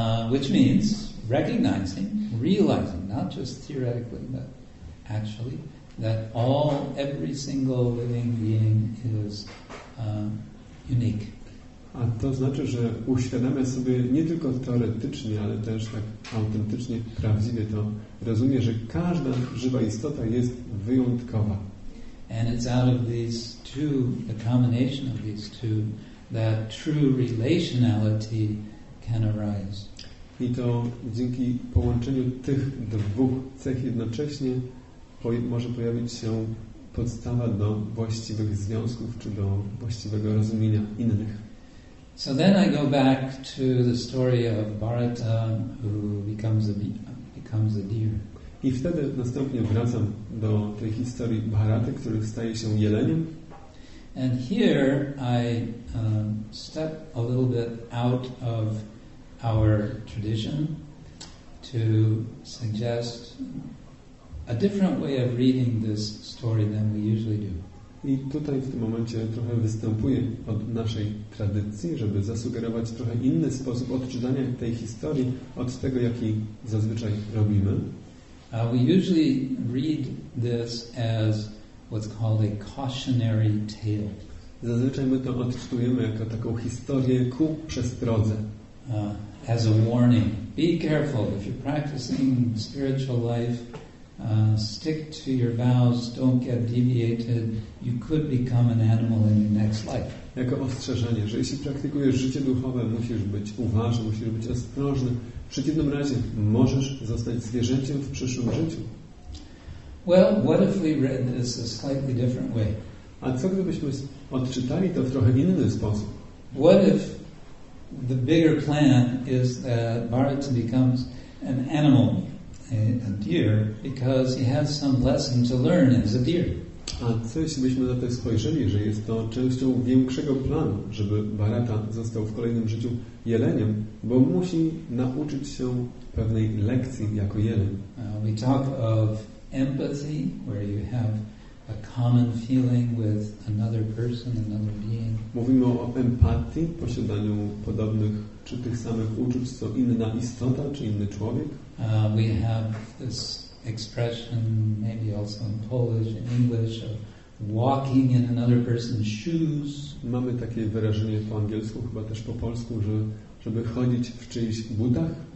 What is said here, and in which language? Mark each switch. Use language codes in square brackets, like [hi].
[en] Which means recognizing, realizing, not just theoretically, but actually, that every single living being is unique. [pl] A to znaczy, że uświadamia sobie nie tylko teoretycznie, ale też tak autentycznie, prawdziwie to rozumie, że każda żywa istota jest wyjątkowa. [en] And it's out of these two, the combination of these two, that true relationality can arise. [pl] I to dzięki połączeniu tych dwóch cech jednocześnie może pojawić się podstawa do właściwych związków czy do właściwego rozumienia innych. [en] So then I go back to the story of Bharata who becomes a deer. [pl] I wtedy następnie wracam do tej historii Bharaty, który staje się jeleniem. [en] And here I step a little bit out of our tradition to suggest a different way of reading this story than we usually do. [pl] I tutaj w tym momencie trochę występuję od naszej tradycji, żeby zasugerować trochę inny sposób odczytania tej historii od tego, jaki zazwyczaj robimy. [en] We usually read this as what's called a cautionary tale. [pl] Zazwyczaj my to odczytujemy jako taką historię ku przestrodze. [en] As a warning. Be careful if you're practicing spiritual life. Stick to your vows, don't get deviated. You could become an animal in your next life. [pl] Jako ostrzeżenie, że jeśli praktykujesz życie duchowe, musisz być uważny, musisz być ostrożny. W przeciwnym razie możesz zostać zwierzęciem w przyszłym życiu. [en] Well, what if we read this a slightly different way? [pl] A co gdybyśmy odczytali to w trochę inny sposób? [en] What if the bigger plan is that Bharata becomes an animal, a deer, because he has some lesson to learn as a deer? [pl] A co jeśli byśmy na to spojrzeli, że jest to częścią większego planu, żeby Bharata został w kolejnym życiu jeleniem, bo musi nauczyć się pewnej lekcji jako jeleń? [en] We talk of empathy, where you have a common feeling with another person, another being. [pl] Mówimy o empatii, posiadaniu podobnych czy tych samych uczuć co inna istota czy inny człowiek. [en] We have this expression, maybe also in Polish, in English, of walking in another person's shoes. [pl] Mamy takie wyrażenie po angielsku, chyba też po polsku, że żeby chodzić w czyichś butach.